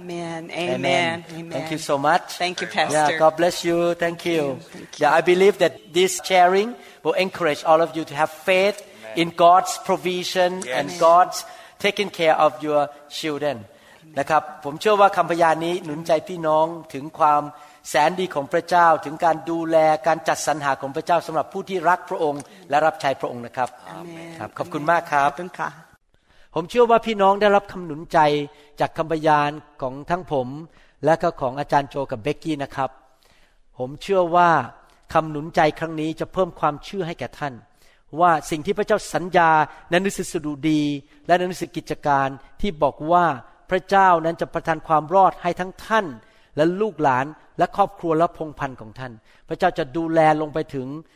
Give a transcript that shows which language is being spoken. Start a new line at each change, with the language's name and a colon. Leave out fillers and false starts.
English: Amen. Amen. Amen. Thank you so much. Thank you, Pastor. Yeah, God bless you. Thank you. Yeah, I believe that this sharing will encourage all of you to have faith in God's provision and God's taking care of your children.
Thai: นะครับผมเชื่อว่าคำพยานนี้หนุนใจพี่น้องถึงความแสนดีของพระเจ้าถึงการดูแลการจัดสรรหาของพระเจ้าสำหรับผู้ที่รักพระองค์และรับใช้พระองค์นะครับ
English: Amen.
Thai: ครับขอบคุณมากครับ ขอบคุณค่ะ ผมเชื่อว่าพี่น้องได้รับคำหนุนใจจากคำพยานของทั้งผมและก็ของอาจารย์โจกับเบกกี้นะครับผมเชื่อว่าคำหนุนใจครั้งนี้จะเพิ่มความเชื่อให้แก่ท่านว่าสิ่งที่พระเจ้าสัญญาในหนังสือสดุดีและหนังสือกิจการที่บอกว่าพระเจ้านั้นจะประทานความรอดให้ทั้งท่านและลูกหลานและครอบครัวและพงศ์พันธุ์ของท่านพระเจ้าจะดูแลลงไปถึง